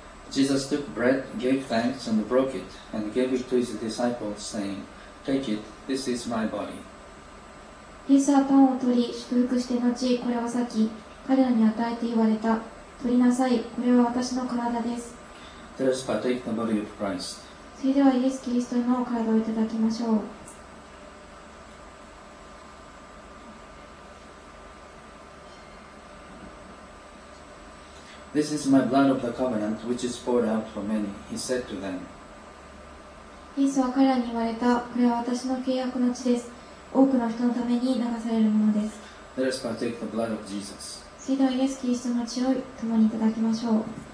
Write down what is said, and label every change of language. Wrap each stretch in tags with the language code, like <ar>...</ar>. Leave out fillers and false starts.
<en>Jesus took bread, gave thanks, and broke it, and gave it to his disciples, saying, Take it, this is my body.</en> <ja>イエスはパンを取り、祝福して後、これを裂き、彼らに与えて言われた。取りなさい、これは私の体です。</ja> <en>Let us partake the body of Christ.</en> <ja>それではイエス・キリストの体をいただきましょう。</ja> <en>This is my blood of the covenant, which is poured out for many, he said to them.</en> <ja>イエスは彼らに言われた、これは私の契約の血です。多くの人のために流されるものです。</ja> <en>Let us partake the blood of Jesus.</en> <ja>それではイエス・キリストの血を共にいただきましょう。</ja>